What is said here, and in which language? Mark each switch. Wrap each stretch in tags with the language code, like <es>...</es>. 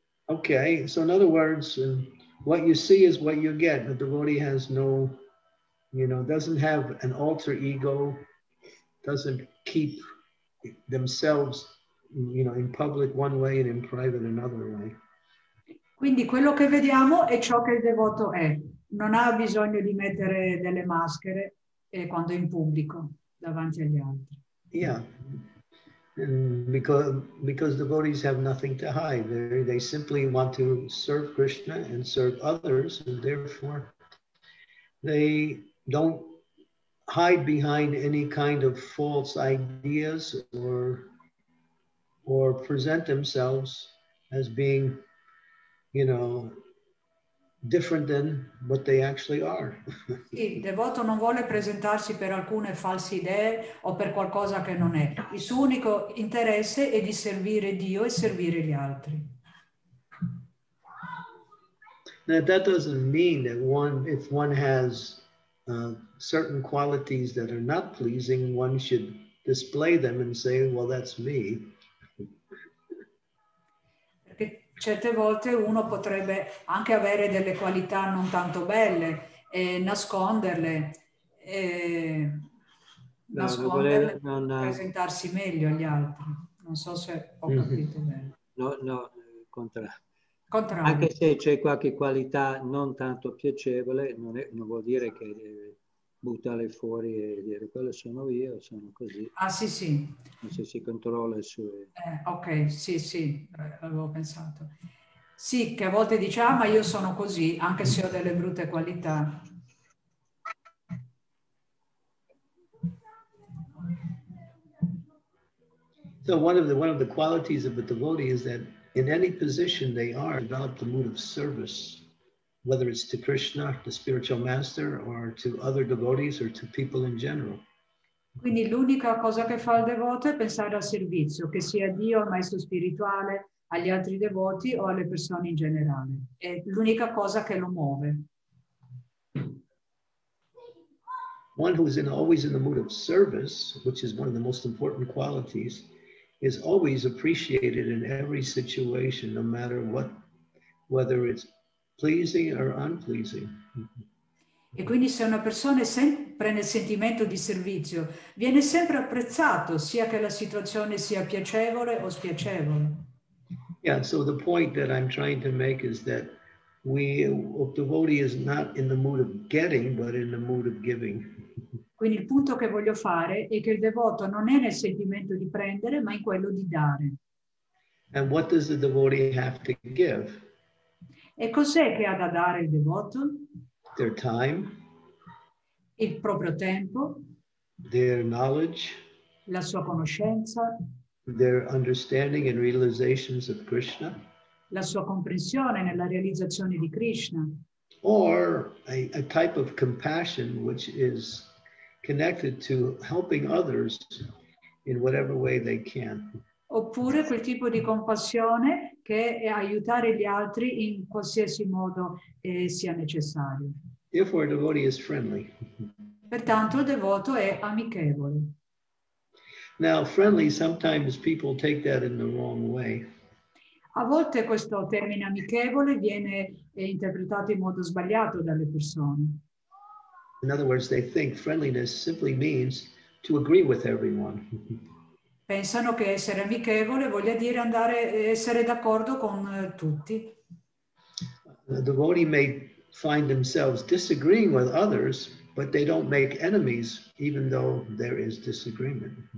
<en>Okay, so in other words, what you see is what you get. The devotee has no, you know, doesn't have an alter ego, doesn't keep themselves, you know, in public one way and in private another way.</en> <it>Quindi quello che vediamo è ciò che il devoto è. Non ha bisogno di mettere delle maschere quando è in pubblico davanti agli altri.</it> <en>Yeah. Because devotees have nothing to hide. They simply want to serve Krishna and serve others, and therefore they don't hide behind any kind of false ideas or present themselves as being, you know, different than what they actually are.</en> <it>Il devoto non vuole presentarsi per alcune false idee o per qualcosa che non è. Il suo unico interesse è di servire Dio e servire gli altri.</it> <en>Now, that doesn't mean that one, if one has certain qualities that are not pleasing, one should display them and say, well, that's me.</en> <it>Certe volte uno potrebbe anche avere delle qualità non tanto belle e nasconderle e presentarsi meglio agli altri. Non so se ho capito bene. No, contrario. Anche se c'è qualche qualità non tanto piacevole, non vuol dire che buttarle fuori e dire quello sono io, sono così. Ah sì sì. Non so se si controlla il suo... ok, sì sì, avevo pensato. Sì, che a volte diciamo, ma io sono così, anche se ho delle brutte qualità.</it> <en>So one of the qualities of a devotee is that in any position they are, develop the mood of service, whether it's to Krishna, the spiritual master, or to other devotees, or to people in general.</en> <it>Quindi l'unica cosa che fa il devoto è pensare al servizio, che sia Dio, il maestro spirituale, agli altri devoti o alle persone in generale. È l'unica cosa che lo muove.</it> <en>One who is always in the mood of service, which is one of the most important qualities, is always appreciated in every situation, no matter what, whether it's pleasing or unpleasing.</en> <it>E quindi se una persona è sempre nel sentimento di servizio, viene sempre apprezzato, sia che la situazione sia piacevole o spiacevole.</it> <en>Yeah, so the point that I'm trying to make is that a devotee is not in the mood of getting, but in the mood of giving.</en> <it>Quindi il punto che voglio fare è che il devoto non è nel sentimento di prendere, ma in quello di dare.</it> <en>And what does the devotee have to give?</en> <it>E cos'è che ha da dare il devoto?</it> <en>Their time.</en> <it>Il proprio tempo.</it> <en>Their knowledge.</en> <it>La sua conoscenza.</it> <en>Their understanding and realizations of Krishna.</en> <it>La sua comprensione nella realizzazione di Krishna.</it> <en>Or a type of compassion which is connected to helping others in whatever way they can.</en> <it>Oppure quel tipo di compassione che è aiutare gli altri in qualsiasi modo sia necessario.</it> <en>Therefore, a devotee is friendly.</en> <it>Pertanto, il devoto è amichevole.</it> <en>Now, friendly, sometimes people take that in the wrong way.</en> <it>A volte questo termine amichevole viene interpretato in modo sbagliato dalle persone.</it> <en>In other words, they think friendliness simply means to agree with everyone.</en> <it>Pensano che essere amichevole voglia dire andare essere d'accordo con tutti.</it> <en>The devotee may find themselves disagreeing with others, but they don't make enemies even though there is disagreement.</en>